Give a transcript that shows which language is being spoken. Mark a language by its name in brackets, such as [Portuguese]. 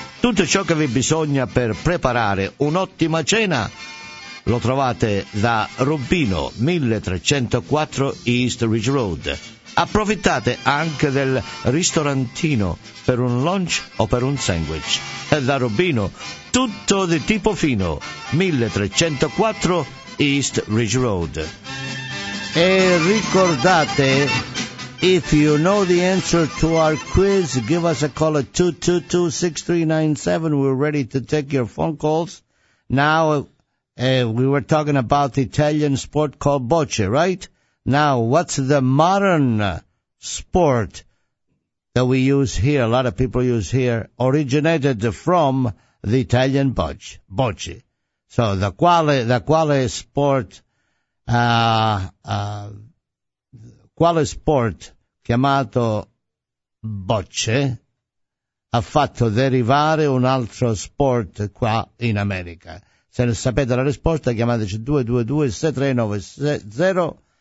[Italian] Tutto ciò che vi bisogna per preparare un'ottima cena lo trovate da Rubino, 1304 East Ridge Road. Approfittate anche del ristorantino per un lunch o per un sandwich. E da Rubino, tutto di tipo fino, 1304 East Ridge Road. E ricordate, [English] if you know the answer to our quiz, give us a call at 222-6397. We're ready to take your phone calls. Now, we were talking about the Italian sport called bocce, right? Now, what's the modern sport that we use here, a lot of people use here, originated from the Italian bocce? [Italian] So, quale sport chiamato bocce ha fatto derivare un altro sport qua in America? Se ne sapete la risposta, chiamateci 222-6390.